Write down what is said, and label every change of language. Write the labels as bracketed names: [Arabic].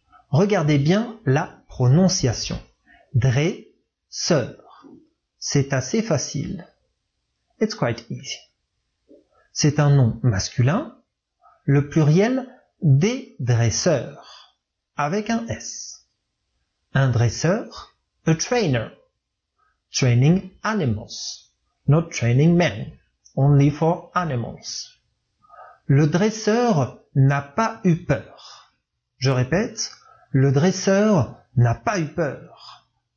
[French] Regardez bien la prononciation. Dresseur. C'est assez facile. [English] It's quite easy. [French] C'est un nom masculin, le pluriel des dresseurs, avec un S. Un dresseur, [English] a trainer. Training animals, not training men, only for animals. [French] Le dresseur n'a pas eu peur. Je répète, le dresseur n'a pas eu peur.